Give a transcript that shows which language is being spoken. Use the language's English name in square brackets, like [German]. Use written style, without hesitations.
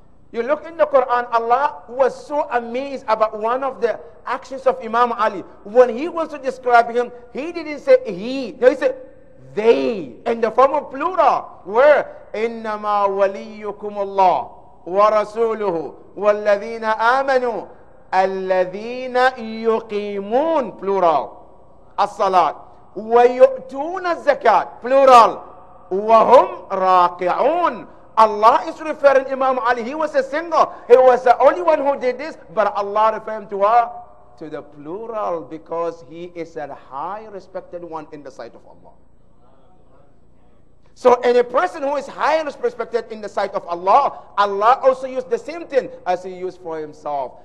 [English] You look in the Quran, Allah was so amazed about one of the actions of Imam Ali. When he was to describe him, he didn't say he. No, he said they, in the form of plural. Where? [Arabic] إِنَّمَا وَلِيُّكُمُ اللَّهُ وَرَسُولُهُ وَالَّذِينَ آمَنُوا الَّذِينَ يُقِيمُونَ [English] plural. [Arabic] الصَّلَاةِ وَيُؤْتُونَ الزَّكَاةِ [English] plural. [Arabic] وَهُمْ رَاقِعُونَ. [English] Allah is referring Imam Ali. He was a single. He was the only one who did this. But Allah referred him to what? To the plural, because he is a high respected one in the sight of Allah. So any person who is high respected in the sight of Allah, Allah also used the same thing as he used for himself.